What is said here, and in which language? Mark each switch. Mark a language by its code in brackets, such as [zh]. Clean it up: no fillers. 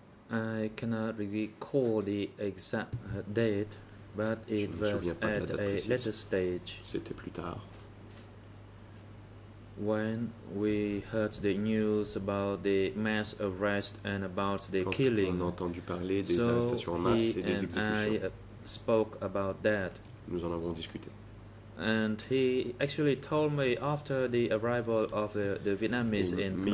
[en] I cannot recall the exact date, but it was at a later stage. [fr] C'était plus tard. [en] When we heard the news about the mass arrest and about the [fr] quand [en] killing, [fr] on a entendu parler des arrestations en masse et des exécutions. [en] So he and I spoke about that. [fr] Nous en avons discuté. [en] And he actually told me after the arrival of the Vietnamese in Phnom Penh.